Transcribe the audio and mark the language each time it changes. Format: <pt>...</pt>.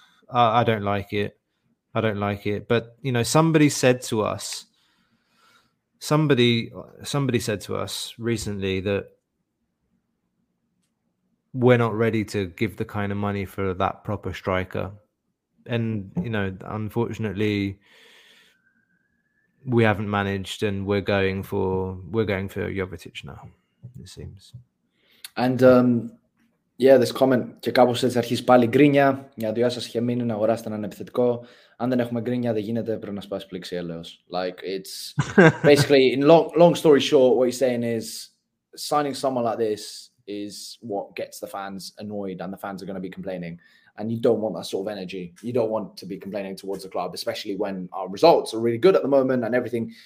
<en>I don't like it. But, you know, somebody said to us recently that we're not ready to give the kind of money for that proper striker. And, you know, unfortunately, we haven't managed, and we're going for Jovetic now, it seems. And yeah, this comment,</en> <el>και κάπως έτσι αρχίζει πάλι γκρίνια, για δυο σας είχε μείνει να αγοράσετε έναν επιθετικό. Αν δεν έχουμε γκρίνια, δεν γίνεται, πρέπει να σπάσει πλήξη, έλεος.</el> <en>Like, it's basically, in long story short, what he's saying is, signing someone like this is what gets the fans annoyed, and the fans are going to be complaining. And you don't want that sort of energy. You don't want to be complaining towards the club, especially when our results are really good at the moment and everything.</en>